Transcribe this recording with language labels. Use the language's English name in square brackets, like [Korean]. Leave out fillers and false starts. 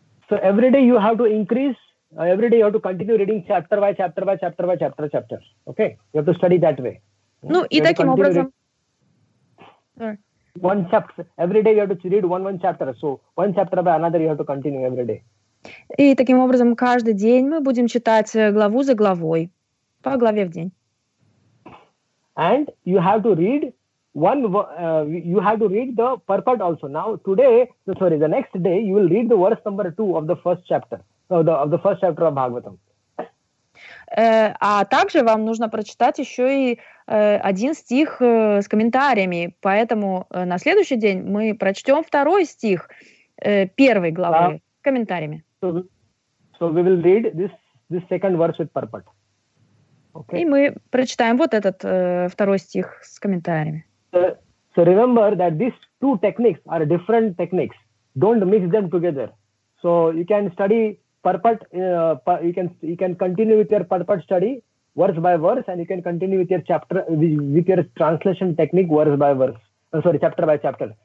[English] So every day you have to increase. Every day you have to continue reading chapter by chapter by chapter by chapter by chapter. Okay? You have to study that way. [Russian] Ну, и таким образом... [English] One chapter. Every day you have to read one chapter. So, one chapter by another you have to continue every day. [Russian] И таким образом каждый день мы будем читать главу за главой, по главе в день. [English] And you have to read one, you have to read the purport also. Now today, sorry, the next day you will read the verse number 2 of the first chapter, of the first chapter of Bhagavatam. [Russian] А также вам нужно прочитать еще и один стих с комментариями. Поэтому на следующий день мы прочтем второй стих первой главы с комментариями. [English] So we will read this second verse with purport. Okay. [Russian] И мы прочитаем вот этот второй стих с комментариями. [English] So remember that these two techniques are different techniques. Don't mix them together. So you can study purport, you can continue with your purport study verse by verse, and you can continue with your chapter with your translation technique verse by verse. Sorry, chapter by chapter.